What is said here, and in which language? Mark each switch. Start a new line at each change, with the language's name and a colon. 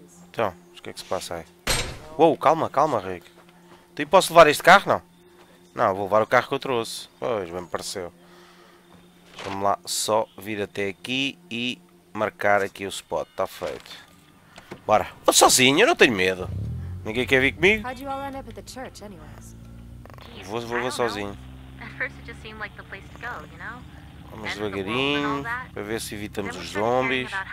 Portuguese: Então, o que é que se passa aí? Uou, calma, calma, Rick. Então, posso levar este carro, não? Não, vou levar o carro que eu trouxe. Pois, bem me pareceu. Vamos lá, só vir até aqui e marcar aqui o spot. Está feito. Bora. Vou sozinho, eu não tenho medo. Ninguém quer vir comigo?
English: How'd you all end up at the church, anyways?
Portuguese: Geez, vou
English: I don't know.
Portuguese: sozinho.
English: At first it just seemed like the place to go, you know?
Portuguese: Vamos devagarinho, para ver se evitamos os zombies.